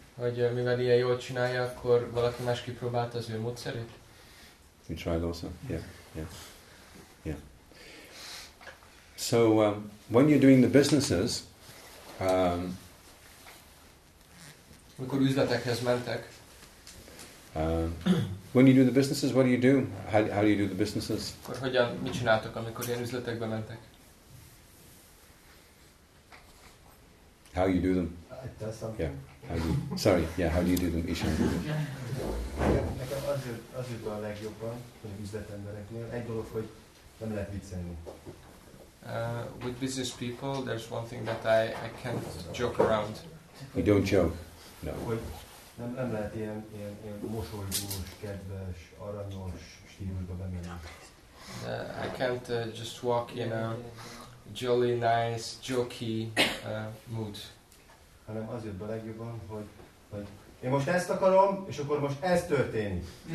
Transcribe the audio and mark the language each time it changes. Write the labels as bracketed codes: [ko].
[hu] Hogy mivel ilyen jól csinálja, akkor valaki más kipróbálta az ő módszerét? [en] We tried also. Yeah. So when you're doing the businesses, [hu] amikor üzletekhez mentek. [en] When you do the businesses, what do you do? How do you do the businesses? [hu] Akkor hogyan, mit csináltok, amikor ilyen üzletekbe mentek? [en] How you do them? It does something. Yeah. How do you, sorry. Yeah. How do you do them? Ishan. [hu] Nekem azért a legjobban, hogy üzletembereknél egy dolog, hogy nem lehet viccelni. [en] With business people, there's one thing that I can't joke around. You don't joke. No. [hu] Nem lehet ilyen mosolygós, kedves, aranyos stílusba bemenni. [en] I can't just walk in a jolly, nice, jokey mood. [hu] Hanem az jött be legjobban, hogy én most ezt akarom, és akkor most ez történik.